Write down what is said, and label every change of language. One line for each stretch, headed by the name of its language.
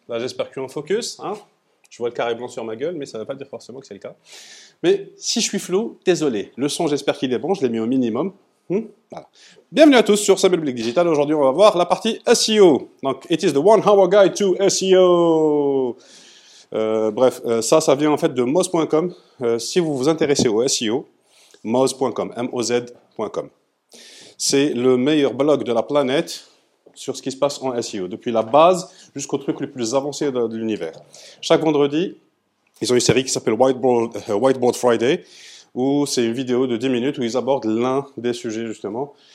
French: Là, j'espère que tu es en focus, hein. Je vois le carré blanc sur ma gueule, mais ça ne veut pas dire forcément que c'est le cas. Mais si je suis flou, désolé. Le son, j'espère qu'il est bon. Je l'ai mis au minimum. Voilà. Bienvenue à tous sur Sable Public Digital. Aujourd'hui, on va voir la partie SEO. Donc,
English: it is the one hour guide to SEO.
French: Bref, ça vient en fait de Moz.com. Si vous vous intéressez au SEO, Moz.com, Moz.com. C'est le meilleur blog de la planète sur ce qui se passe en SEO, depuis la base jusqu'au truc le plus avancé de l'univers. Chaque vendredi, ils ont une série qui s'appelle Whiteboard Friday, où c'est une vidéo de 10 minutes où ils abordent l'un des sujets, justement.